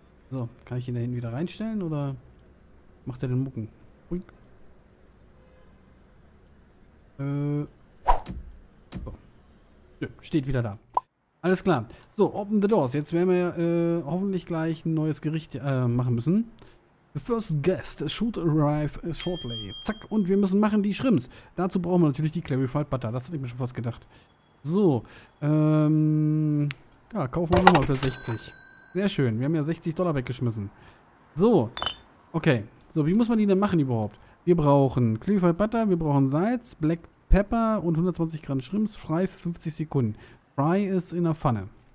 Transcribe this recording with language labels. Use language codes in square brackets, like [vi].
[de] So, kann ich ihn da hinten wieder reinstellen oder macht er den Mucken? Ui. So. Ja, steht wieder da. Alles klar. So, [en] open the doors. [de] Jetzt werden wir hoffentlich gleich ein neues Gericht machen müssen. [en] The first guest should arrive shortly. [de] Zack, und wir müssen machen die Shrimps. Dazu brauchen wir natürlich die Clarified Butter. Das hatte ich mir schon fast gedacht. So, ja, kaufen wir nochmal für 60. Sehr schön. Wir haben ja $60 weggeschmissen. So. Okay. So, wie muss man die denn machen überhaupt? Wir brauchen Clarified Butter, wir brauchen Salz, Black Pepper und 120 Gramm Shrimps. Fry für 50 Sekunden. Fry ist in der Pfanne.